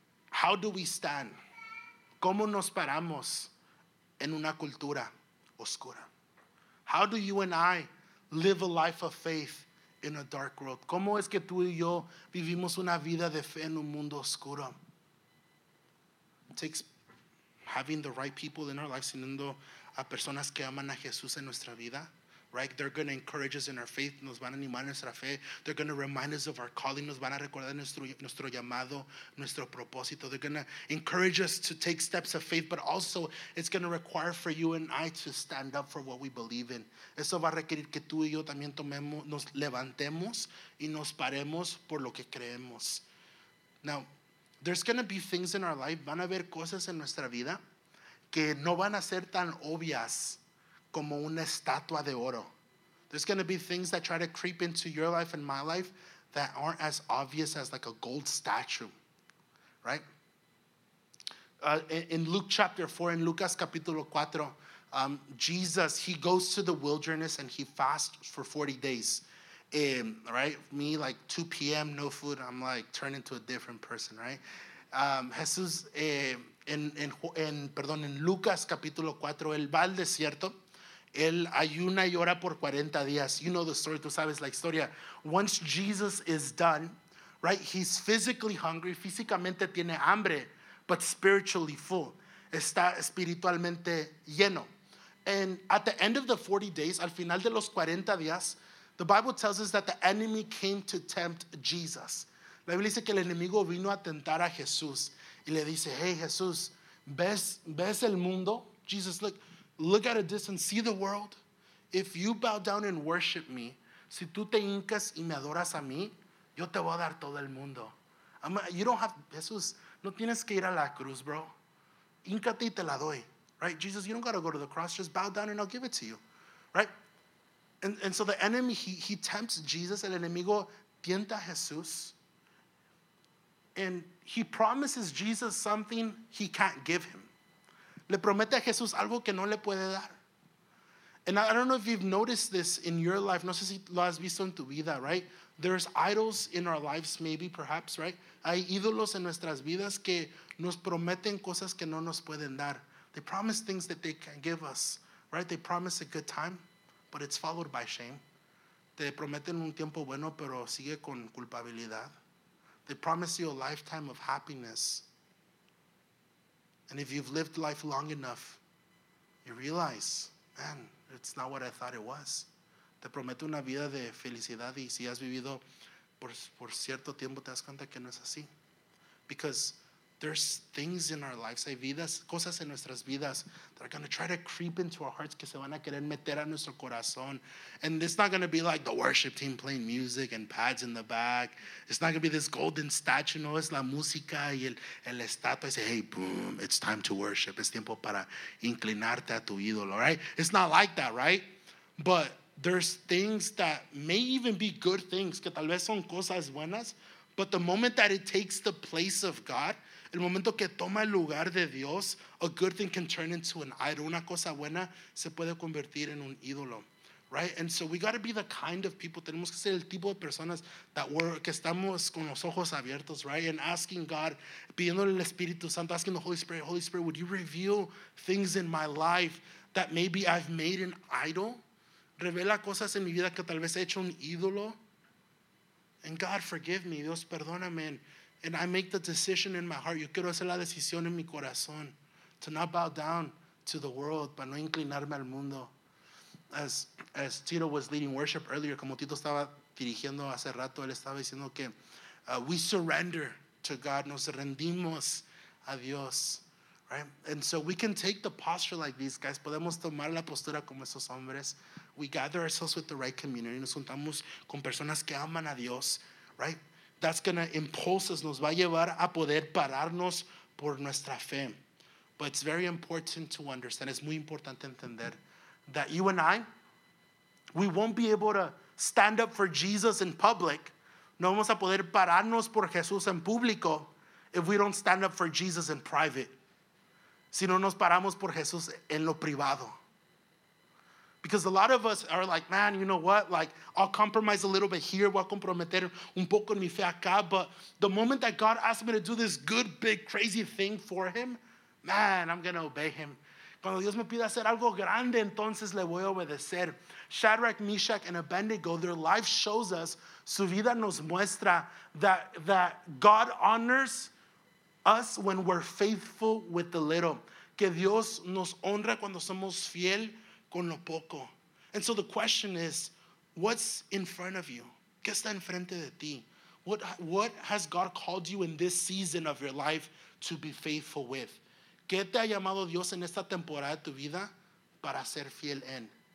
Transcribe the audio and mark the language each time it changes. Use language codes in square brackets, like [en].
[en] How do we stand? [es] ¿Cómo nos paramos en una cultura oscura? [en] How do you and I live a life of faith in a dark world? [es] ¿Cómo es que tú y yo vivimos una vida de fe en un mundo oscuro? [en] It takes having the right people in our lives, [es] teniendo a personas que aman a Jesús en nuestra vida, [en] right? They're going to encourage us in our faith, [es] nos van a animar en nuestra fe. [en] They're going to remind us of our calling, [es] nos van a recordar nuestro llamado, nuestro propósito. [en] They're going to encourage us to take steps of faith, but also it's going to require for you and I to stand up for what we believe in. [es] Eso va a requerir que tú y yo también tomemos, nos levantemos y nos paremos por lo que creemos. [en] Now, there's going to be things in our life, [es] van a haber cosas en nuestra vida que no van a ser tan obvias como una estatua de oro. [en] There's going to be things that try to creep into your life and my life that aren't as obvious as like a gold statue, right? In Luke chapter 4, [es] in Lucas capítulo 4, [en] Jesus, he goes to the wilderness and he fasts for 40 days. Right, me like 2 p.m. no food. I'm like turned into a different person, right? [es] Jesús en Lucas capítulo 4, él va al desierto, él ayuna y ora por 40 días. [en] You know the story. [es] Tú sabes la historia. [en] Once Jesus is done, right? He's physically hungry. [es] Físicamente tiene hambre, [en] but spiritually full. [es] Está espiritualmente lleno. [en] And at the end of the 40 days, [es] al final de los 40 días, [en] the Bible tells us that the enemy came to tempt Jesus. [es] La Biblia dice que el enemigo vino a tentar a Jesús. Y le dice, hey, Jesús, ¿ves el mundo? [en] Jesus, look at a distance, see the world. If you bow down and worship me, [es] si tú te hincas y me adoras a mí, yo te voy a dar todo el mundo. Jesús, no tienes que ir a la cruz, bro. Híncate y te la doy. Right? [en] Jesus, you don't got to go to the cross. Just bow down and I'll give it to you. Right? And so the enemy, he tempts Jesus. [es] El enemigo tienta a Jesús. [en] And he promises Jesus something he can't give him. [es] Le promete a Jesús algo que no le puede dar. [en] And I don't know if you've noticed this in your life. [es] No sé si lo has visto en tu vida, [en] right? There's idols in our lives, maybe, perhaps, right? [es] Hay ídolos en nuestras vidas que nos prometen cosas que no nos pueden dar. [en] They promise things that they can't give us, right? They promise a good time, but it's followed by shame. [es] Te prometen un tiempo bueno, pero sigue con culpabilidad. [en] They promise you a lifetime of happiness. And if you've lived life long enough, you realize, man, it's not what I thought it was. [es] Te promete una vida de felicidad y si has vivido por cierto tiempo, te das cuenta que no es así. [en] Because there's things in our lives, [es] hay vidas, cosas en nuestras vidas [en] that are going to try to creep into our hearts, [es] que se van a querer meter a nuestro corazón. [en] And it's not going to be like the worship team playing music and pads in the back. It's not going to be this golden statue, [es] no, es la música y el estatua. [en] I say, hey, boom, it's time to worship. [es] Es tiempo para inclinarte a tu ídolo, right? [en] It's not like that, right? But there's things that may even be good things, [es] que tal vez son cosas buenas, [en] but the moment that it takes the place of God, [es] el momento que toma el lugar de Dios, [en] a good thing can turn into an idol. [es] Una cosa buena se puede convertir en un ídolo, right? [en] And so we got to be the kind of people, [es] tenemos que ser el tipo de personas que estamos con los ojos abiertos, right? [en] And asking God, [es] pidiéndole al Espíritu Santo, [en] asking the Holy Spirit, Holy Spirit, would you reveal things in my life that maybe I've made an idol? [es] Revela cosas en mi vida que tal vez he hecho un ídolo. [en] And God, forgive me, [es] Dios, perdóname. [en] And I make the decision in my heart. [es] Yo quiero hacer la decisión en mi corazón [en] to not bow down to the world, [es] para no inclinarme al mundo. [en] As Tito was leading worship earlier, [es] como Tito estaba dirigiendo hace rato, él estaba diciendo que [en] we surrender to God, [es] nos rendimos a Dios, right? [en] And so we can take the posture like these guys. [es] Podemos tomar la postura como esos hombres. [en] We gather ourselves with the right community. [es] Nos juntamos con personas que aman a Dios, right? [en] That's going to impulse us, [es] nos va a llevar a poder pararnos por nuestra fe. [en] But it's very important to understand, es muy importante entender, that you and I, we won't be able to stand up for Jesus in public. [es] No vamos a poder pararnos por Jesús en público [en] if we don't stand up for Jesus in private. [es] Si no nos paramos por Jesús en lo privado. [en] Because a lot of us are like, man, you know what? Like, I'll compromise a little bit here. [es] Voy a comprometer un poco en mi fe acá. [en] But the moment that God asks me to do this good, big, crazy thing for him, man, I'm going to obey him. [es] Cuando Dios me pide hacer algo grande, entonces le voy a obedecer. [en] Shadrach, Meshach, and Abednego, their life shows us, [es] su vida nos muestra [en] that God honors us when we're faithful with the little. [es] Que Dios nos honra cuando somos fiel con lo poco. [en] And so the question is, what's in front of you? [es] ¿Qué está enfrente de ti? [en] What has God called you in this season of your life to be faithful with? [es] ¿Qué te ha llamado Dios en esta temporada de tu vida para ser fiel en?